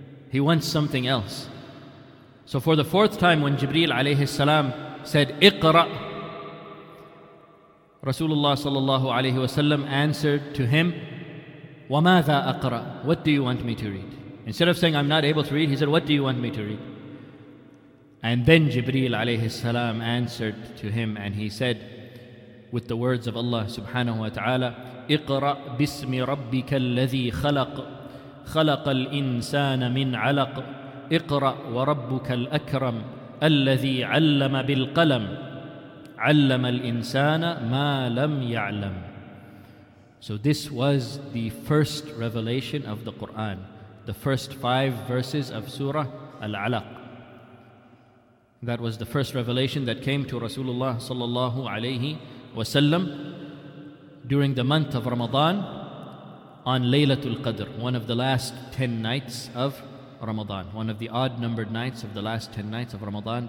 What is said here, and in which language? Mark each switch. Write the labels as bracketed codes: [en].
[en] He wants something else. So for the fourth time, when Jibreel alayhi salam said, Iqra, Rasulullah sallallahu alayhi wa sallam answered to him, [ar] وَمَاذَا أَقْرَى, [en] what do you want me to read? Instead of saying, I'm not able to read, he said, what do you want me to read? And then Jibreel alayhi salam answered to him, and he said, with the words of Allah subhanahu wa ta'ala, [ar] اقرأ باسم ربك الذي خلق خلق الإنسان من علق اقرأ وربك الأكرم الذي علم بالقلم علم الإنسان ما لم يعلم. [en] So this was the first revelation of the Quran, the first five verses of Surah Al-Alaq. That was the first revelation that came to Rasulullah sallallahu alayhi wasallam during the month of Ramadan on Laylatul Qadr, one of the last 10 nights of Ramadan, one of the odd numbered nights of the last 10 nights of Ramadan.